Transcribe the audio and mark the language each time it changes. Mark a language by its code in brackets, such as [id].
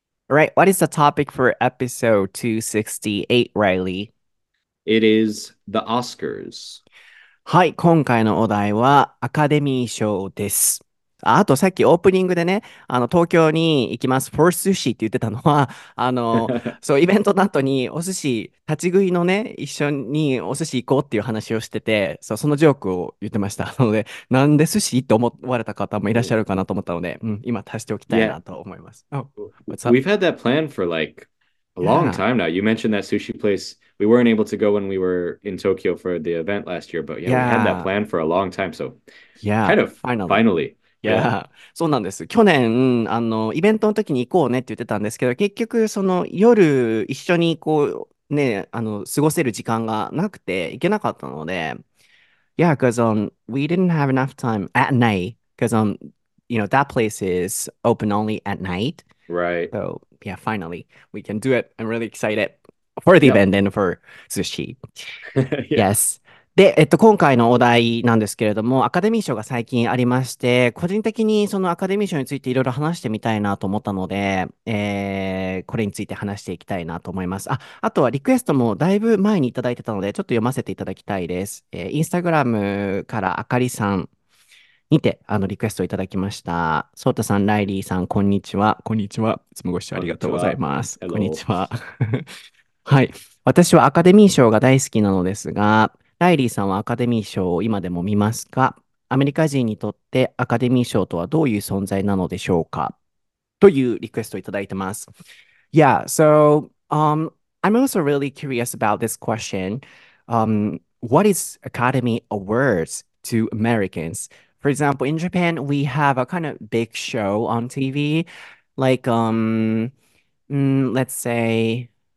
[en] Alright, what is the topic for episode 268, Riley? It is the Oscars. [ja] はい、今回のお題はアカデミー賞です。あとさっきオープニングでね、あの東京に行きます [en] for sushi [ja] って言ってたのは、あのそうイベントの後にお寿司立ち食いのね、一緒にお寿司行こうっていう話をしてて、そう、そのジョークを言ってました。なのでなんで寿司って思われた方もいらっしゃるかなと思ったので、うん、今足しておきたいなと思います。 [en] Yeah. Oh, We've had that plan for like a long time now. You mentioned that sushi place. We weren't able to go when we were in Tokyo for the event last year, but yeah, we had that plan for a long time. So kind of finally. [ja] Yeah. そうなんです。去年あのイベントの時に行こうねって言ってたんですけど、結局その夜一緒にこうね、あの過ごせる時間がなくて行けなかったので、 [en] Yeah, because we didn't have enough time at night, because you know, that place is open only at night. Right. So yeah, finally we can do it. I'm really excited for the event and for sushi. Yes. [ja] で、今回のお題なんですけれども、アカデミー賞が最近ありまして、個人的にそのアカデミー賞についていろいろ話してみたいなと思ったので、これについて話していきたいなと思います。あとはリクエストもだいぶ前にいただいてたので、ちょっと読ませていただきたいです。インスタグラムからあかりさんにてあのリクエストをいただきました。ソータさん、ライリーさん、こんにちは。こんにちは。いつもご視聴ありがとうございます。こんにちは。はい。私はアカデミー賞が大好きなのですが、ライリーさんはアカデミー賞を今でも見ますか？アメリカ人にとってアカデミー賞とはどういう存在なのでしょうか？というリクエストをいただいてます。 [en] Yeah, so, I'm also really curious about this question. What is Academy Awards to Americans? For example, in Japan, we have a kind of big show on TV, like, let's say,